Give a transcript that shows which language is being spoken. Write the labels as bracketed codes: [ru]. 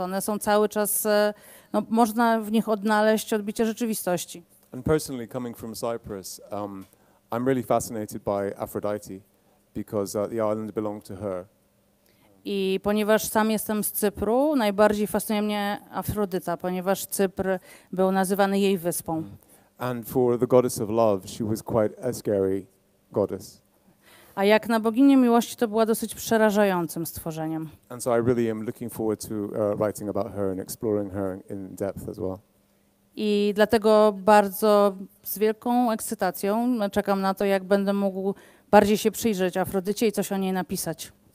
[pl] One są cały czas, no, można w nich odnaleźć odbicie rzeczywistości. [en] And personally, coming from Cyprus, I'm really fascinated by Aphrodite, because the island belonged to her. [pl] I ponieważ sam jestem z Cypru, najbardziej fascynuje mnie Afrodyta, ponieważ Cypr był nazywany jej wyspą. [en] And for the goddess of love, she was quite a scary goddess. [pl] A jak na boginię miłości, to była dosyć przerażającym stworzeniem. [en] And so I really am looking forward to writing about her and exploring her in depth as well. [pl] I dlatego bardzo z wielką ekscytacją czekam na to, jak będę mógł bardziej się przyjrzeć Afrodycie i coś o niej napisać.